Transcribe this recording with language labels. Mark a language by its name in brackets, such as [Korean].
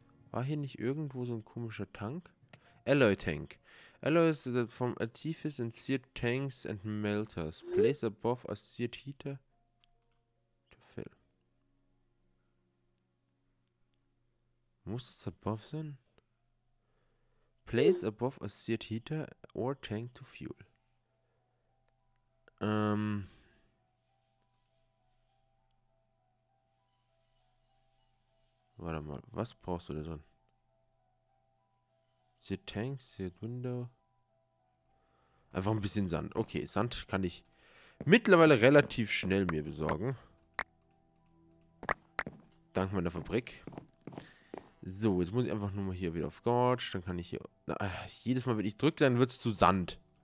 [German] War hier nicht irgendwo so ein komischer Tank? [English] Alloy Tank. Alloys from Artifice and Seared Tanks and Melters. Place above a Seared Heater to fill. [German] Muss es above sein? [English] Place above a Seared Heater or Tank to fuel. [German] Warte mal, was brauchst du da drin? [English] Seared Tanks, Seared Window. [German] Einfach ein bisschen Sand. Okay, Sand kann ich mittlerweile relativ schnell mir besorgen. Dank meiner Fabrik. So, jetzt muss ich einfach nur mal hier wieder auf Gorge. Dann kann ich hier... Na, jedes Mal, wenn ich drücke, dann wird es zu Sand.